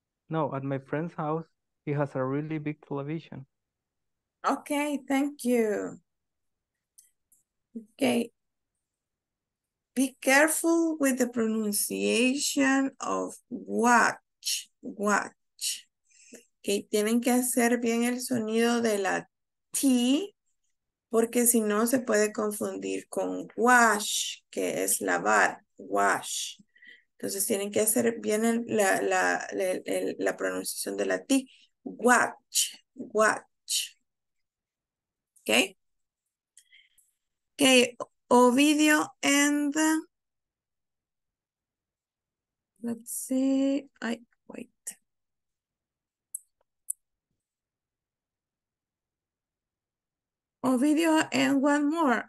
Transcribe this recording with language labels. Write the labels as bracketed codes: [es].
[en] No, at my friend's house. He has a really big television. Okay, thank you. Okay. Be careful with the pronunciation of watch, watch. [es] Okay, tienen que hacer bien el sonido de la T, porque si no se puede confundir con wash, que es lavar, wash. Entonces tienen que hacer bien la pronunciación de la T, watch, watch. [en] Okay. Okay, Ovidio and let's see, Ovidio, and one more.